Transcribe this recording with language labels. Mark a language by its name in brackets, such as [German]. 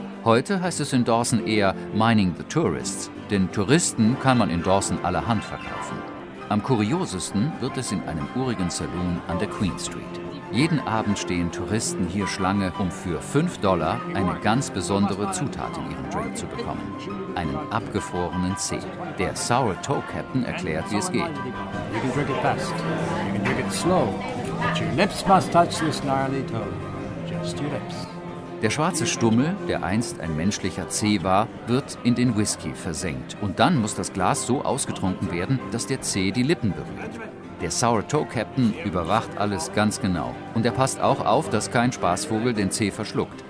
[German] Heute heißt es in Dawson eher [English] Mining the Tourists, [German] denn Touristen kann man in Dawson allerhand verkaufen. Am kuriosesten wird es in einem urigen Saloon an der Queen Street. Jeden Abend stehen Touristen hier Schlange, um für $5 eine ganz besondere Zutat in ihrem Drink zu bekommen. Einen abgefrorenen See. Der Sour Toe Captain erklärt, wie es geht. [English] You can drink it fast, you can drink it slow, but your lips must touch this gnarly toe. Just your lips. [German] Der schwarze Stummel, der einst ein menschlicher Zeh war, wird in den Whisky versenkt. Und dann muss das Glas so ausgetrunken werden, dass der Zeh die Lippen berührt. Der Sour Toe Captain überwacht alles ganz genau. Und er passt auch auf, dass kein Spaßvogel den Zeh verschluckt.